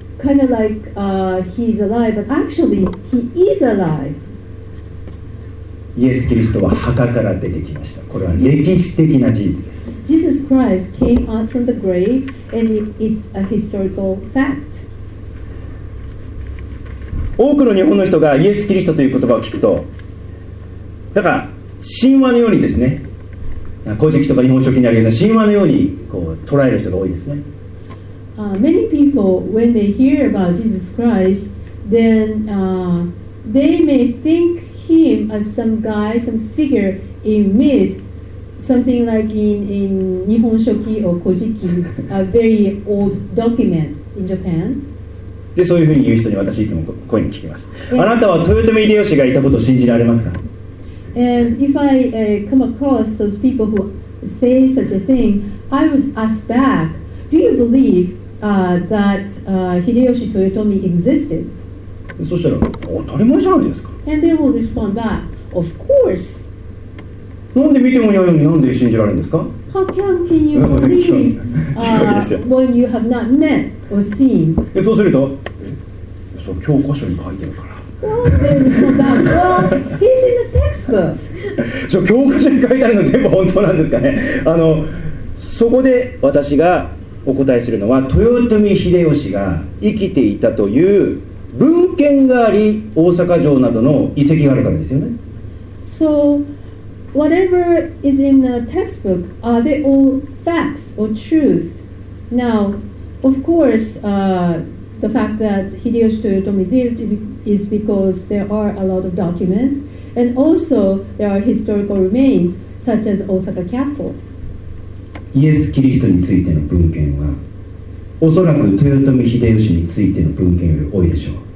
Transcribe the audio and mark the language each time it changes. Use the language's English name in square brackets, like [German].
[English] Kind of like he's alive, but actually he is alive. [Japanese] イエス・キリストは墓から出てきました。これは歴史的な事実です。 [English] Jesus Christ came out from the grave, and it's a historical fact. [Japanese] 多くの日本の人がイエス・キリストという言葉を聞くと、だから神話のようにですね、古事記とか日本書紀にあるような神話のようにこう捉える人が多いですね。 [English] Many people, when they hear about Jesus Christ, then they may think him as some guy, some figure in myth, something like in Nihon Shoki or Kojiki, a very old document in Japan. [Japanese] で、そういうふうに言う人に私いつも声に聞きます。あなたは豊臣秀吉がいたことを信じられますか? [English] And if I come across those people who say such a thing, I would ask back, do you believe Hideyoshi Toyotomi existed. [Japanese] そしたら当たり前じゃないですか。 [English] And they will respond back, of course. [Japanese] なんで見てもいないのになんで信じられるんですか。 [English] How can you believe when you have not met or seen? [Japanese] え、そうすると、そう教科書に書いてるから。 [English] Well, he's in the textbook. [Japanese] じゃあ教科書に書いてあるの全部本当なんですかね。あのそこで私がお答えするのは、豊臣秀吉が生きていたという文献があり、大阪城などの遺跡があるからですよね。 [English] So,Whatever is in the textbook, are they all facts or truth? Now, of course, the fact that Hideyoshi Toyotomi lived is because there are a lot of documents, and also there are historical remains, such as Osaka Castle. [Japanese] イエス・キリストについての文献は、おそらく豊臣秀吉についての文献より多いでしょう。